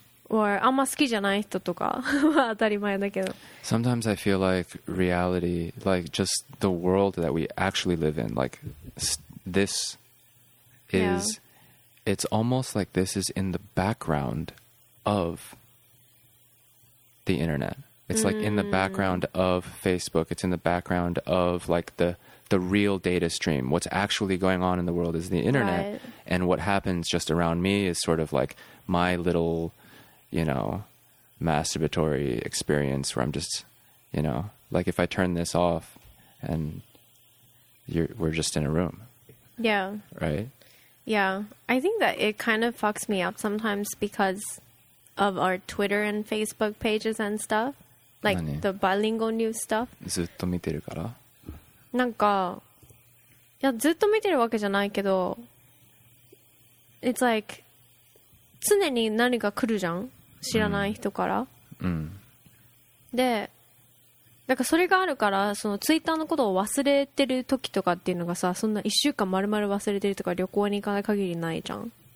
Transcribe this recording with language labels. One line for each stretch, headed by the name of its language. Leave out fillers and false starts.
Japanese: Or, あんま好きじゃない人とか当たり前だけど。
English: Sometimes I feel like reality, like just the world that we actually live in, like this is, it's almost like this is in the background of the internet. It's like in the background of Facebook. It's in the background of like the real data stream. What's actually going on in the world is the internet. Right. And what happens just around me is sort of like my little... you know, masturbatory experience where I'm just, you know, like if I turn this off and we're just in a room. Yeah. Right? Yeah. I think that it kind of fucks me up sometimes because of our Twitter and Facebook pages and stuff. Like the bilingual news stuff.
Japanese: ずっと見てるから。なんか、いや、ずっと見てるわけじゃないけど、
English: it's like,
Japanese: 常に何か来るじゃん。知らない人から、で、だからそれがあるから、そのツイッターのことを忘れてる時とかっていうのがさ、そんな1週間まるまる忘れてるとか旅行に行かない限りないじゃん。